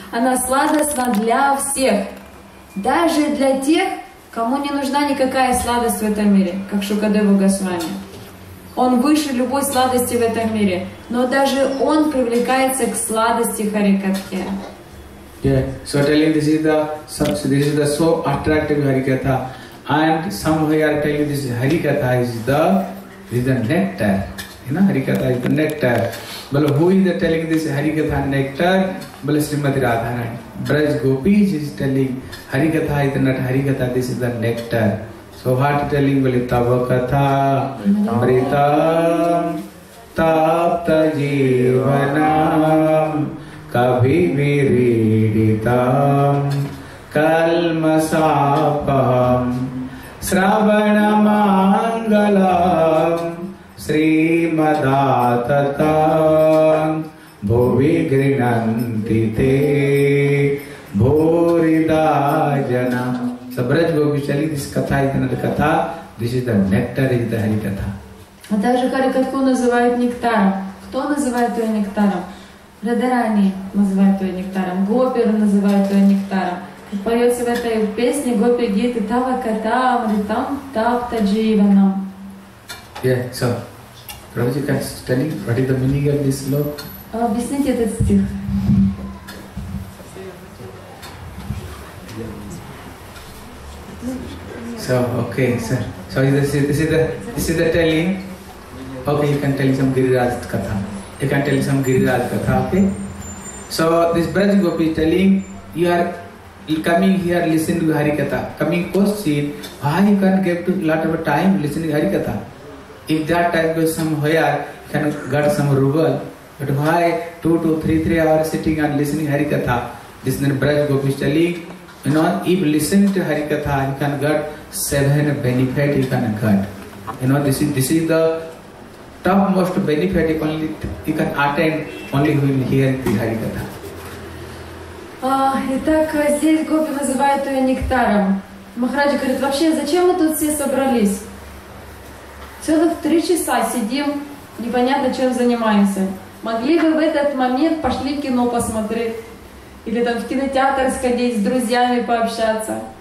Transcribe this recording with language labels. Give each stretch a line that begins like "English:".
Russian: Она сладостна для всех. Даже для тех, кому не нужна никакая сладость в этом мире, как Шукадева Госвами. Он выше любой сладости в этом мире. Но даже он привлекается к сладости харикатхе.
English: Yeah, so telling this is the so attractive Harikatha. And somewhere I tell you this Harikatha is the nectar. Harikatha is the nectar. But who is the telling this Harikatha nectar? But Srimati Radharani. Braj Gopis is telling Harikatha is not Harikatha, this is the nectar. So what telling will
Sanskrit: Tavakatha Amritam Tapta Jivanam Kabhi Viriditam Kalma Sapam Sravana Mangalam Sri Madatatam Bhuvi Grinantite Bhuridajana.
English: So Braj Gopis telling this katha is not katha, this is the nectar in the Harikatha.
Russian: А также Харикатху называют нектаром. Кто называет ее нектаром? Радарани называют ее нектаром, гопи называют ее нектаром. И поется в этой песне гопи гиты
Sanskrit: тава ката амритам тапта дживанам.
English: Yeah, so, Прабхуджи, can you tell me what is the meaning of this slok?
Russian: Объясните этот стих.
English: So, okay, sir. So, this is the telling. Okay, you can tell me some Giriraj katha. You can tell some Giriraj Katha, okay? So this Braj Gopi is telling, you are coming here listening to Harikatha. Coming question, why you can't give to lot of time listening to Harikatha? If that time goes somewhere, can get some ruble. But why 2 to 3 hours sitting and listening to Harikatha? This is Braj Gopi is telling, if listening to Harikatha, you can get 7 benefit, you can get. This is the topmost benefit only you can attain only who will hear the Harikatha.
Russian: Итак, здесь гопи называют ее нектаром. Махараджа говорит, вообще зачем мы тут все собрались? Целых 3 часа сидим, непонятно чем занимаемся. Могли бы в этот момент пошли в кино посмотреть. Или там в кинотеатр сходить, с друзьями пообщаться.